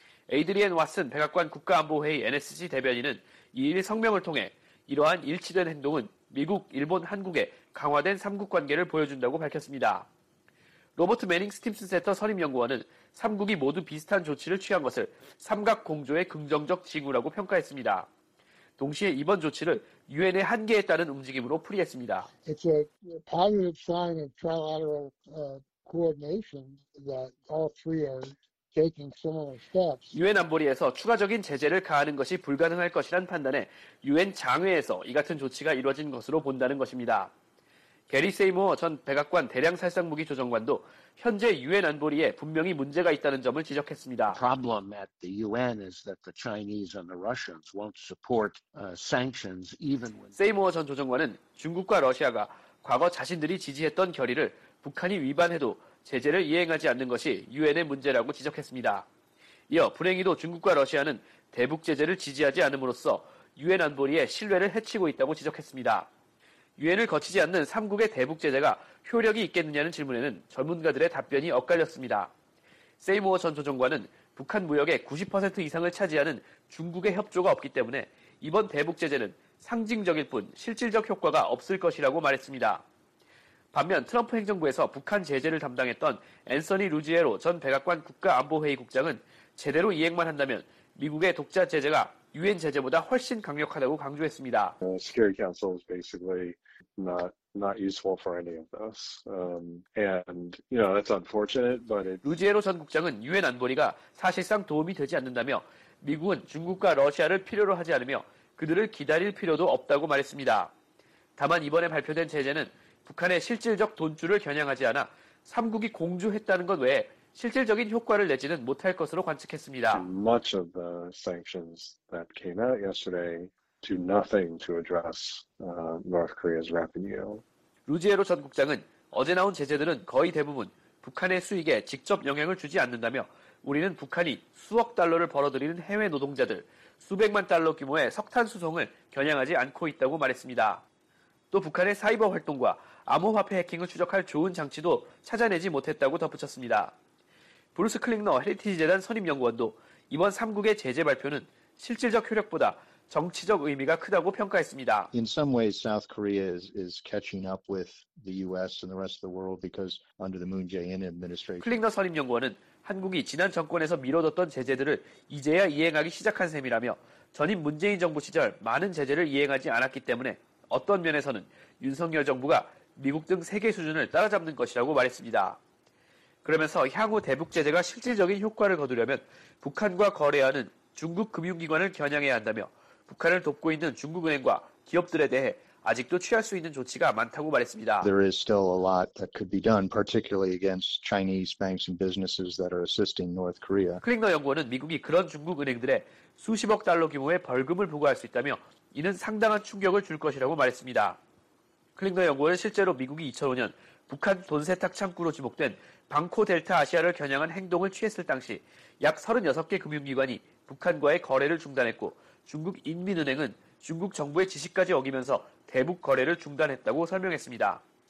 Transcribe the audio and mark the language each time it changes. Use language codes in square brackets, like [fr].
[ko] 에이드리엔 왓슨 백악관 국가안보회의 NSC 대변인은 2일 성명을 통해 이러한 일치된 행동은 미국, 일본, 한국의 강화된 3국 관계를 보여준다고 밝혔습니다. 로버트 매닝 스팀슨 센터 선임연구원은 3국이 모두 비슷한 조치를 취한 것을 삼각공조의 긍정적 징후라고 평가했습니다. 동시에 이번 조치를 유엔의 한계에 따른 움직임으로 풀이했습니다. [en] It's a positive sign of trilateral coordination that all three are taking similar steps. [ko] 유엔 안보리에서 추가적인 제재를 가하는 것이 불가능할 것이란 판단에 유엔 장외에서 이 같은 조치가 이루어진 것으로 본다는 것입니다. 게리 세이머 전 백악관 대량살상무기 조정관도 현재 유엔 안보리에 분명히 문제가 있다는 점을 지적했습니다. [en] The problem at the UN is that the Chinese and the Russians won't support sanctions even when [ko] 세이머 전 조정관은 중국과 러시아가 과거 자신들이 지지했던 결의를 북한이 위반해도 제재를 이행하지 않는 것이 유엔의 문제라고 지적했습니다. 이어 불행히도 중국과 러시아는 대북 제재를 지지하지 않음으로써 유엔 안보리의 신뢰를 해치고 있다고 지적했습니다. 유엔을 거치지 않는 3국의 대북 제재가 효력이 있겠느냐는 질문에는 전문가들의 답변이 엇갈렸습니다. 세이모어 전 조정관은 북한 무역의 90% 이상을 차지하는 중국의 협조가 없기 때문에 이번 대북 제재는 상징적일 뿐 실질적 효과가 없을 것이라고 말했습니다. 반면 트럼프 행정부에서 북한 제재를 담당했던 앤서니 루지에로 전 백악관 국가안보회의 국장은 제대로 이행만 한다면 미국의 독자 제재가 유엔 제재보다 훨씬 강력하다고 강조했습니다. [en] Security Council is basically not useful for any of this. And you know that's unfortunate, but it. [ko] 루지에로 전 국장은 유엔 안보리가 사실상 도움이 되지 않는다며 미국은 중국과 러시아를 필요로 하지 않으며 그들을 기다릴 필요도 없다고 말했습니다. 다만 이번에 발표된 제재는 북한의 실질적 돈줄을 겨냥하지 않아 3국이 공조했다는 것 외에 실질적인 효과를 내지는 못할 것으로 관측했습니다. [en] Much of the sanctions that came out yesterday do nothing to address North Korea's revenue. [ko] 루지에로 전 국장은 어제 나온 제재들은 거의 대부분 북한의 수익에 직접 영향을 주지 않는다며 우리는 북한이 수억 달러를 벌어들이는 해외 노동자들 수백만 달러 규모의 석탄 수송을 겨냥하지 않고 있다고 말했습니다. 또 북한의 사이버 활동과 암호화폐 해킹을 추적할 좋은 장치도 찾아내지 못했다고 덧붙였습니다. 브루스 클링너 헤리티지 재단 선임연구원도 이번 3국의 제재 발표는 실질적 효력보다 정치적 의미가 크다고 평가했습니다. [en] In some ways, South Korea is catching up with the U.S. and the rest of the world because under the Moon Jae-in administration. [ko] 클링너 선임연구원은 한국이 지난 정권에서 미뤄뒀던 제재들을 이제야 이행하기 시작한 셈이라며 전임 문재인 정부 시절 많은 제재를 이행하지 않았기 때문에 어떤 면에서는 윤석열 정부가 미국 등 세계 수준을 따라잡는 것이라고 말했습니다. 그러면서 향후 대북 제재가 실질적인 효과를 거두려면 북한과 거래하는 중국 금융기관을 겨냥해야 한다며 북한을 돕고 있는 중국은행과 기업들에 대해 아직도 취할 수 있는 조치가 많다고 말했습니다. [en] There is still a lot that could be done, particularly against Chinese banks and businesses that are assisting North Korea. [ko] 클링너 연구원은 미국이 그런 중국은행들에 수십억 달러 규모의 벌금을 부과할 수 있다며 이는 상당한 충격을 줄 것이라고 말했습니다. 클링너 연구원은 실제로 미국이 2005년 북한 돈세탁 창구로 지목된 방코 델타 아시아를 겨냥한 행동을 취했을 당시 약 36개 금융기관이 북한과의 거래를 중단했고 중국 인민은행은 중국 정부의 지시까지 어기면서 대북 거래를 중단했다고 설명했습니다.